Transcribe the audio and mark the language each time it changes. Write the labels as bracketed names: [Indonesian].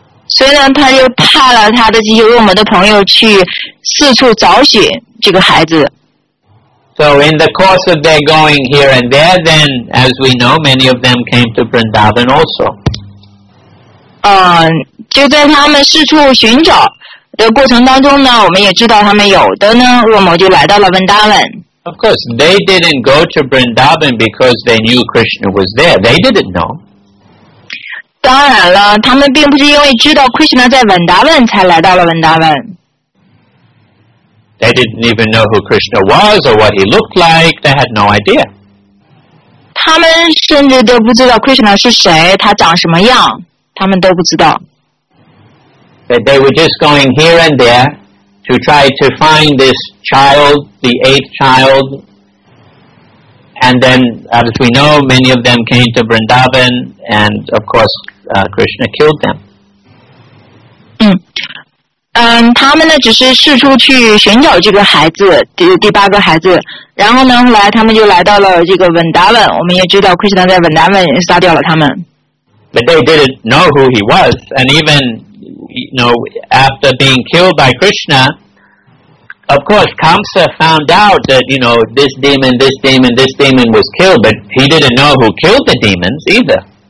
[Chinese] 所以呢他就派了他的这些恶魔的朋友去四处找寻这个孩子。 [English] So in the course of their going here and there, then, as we know, many of them came to Vrindavan also. [Chinese] 就在他们四处寻找的过程当中呢，我们也知道他们有的呢，恶魔就来到了 Vrindavan。 [English] Of course, they didn't go to Vrindavan because they knew Krishna was there. They didn't know. [Chinese] 当然了，他们并不是因为知道 Krishna 在 Vrindavan 才来到了 Vrindavan。 [English] They didn't even know who Krishna was or what he looked like. They had no idea. [Chinese] 他们甚至都不知道 Krishna 是谁，他长什么样，他们都不知道。 [English] But they were just going here and there to try to find this child, the eighth child. And then, as we know, many of them came to Vrindavan and, of course,Krishna killed them. [Chinese] 他们呢只是四处去寻找这个孩子，第八个孩子。然后呢，后来他们就来到了这个 Vrindavan。我们也知道 Krishna 在 Vrindavan 杀掉了他们。 [English] But they didn't know who he was. And even, you know, after being killed by Krishna, of course, Kamsa found out that, you know, this demon was killed, but he didn't know who killed the demons either.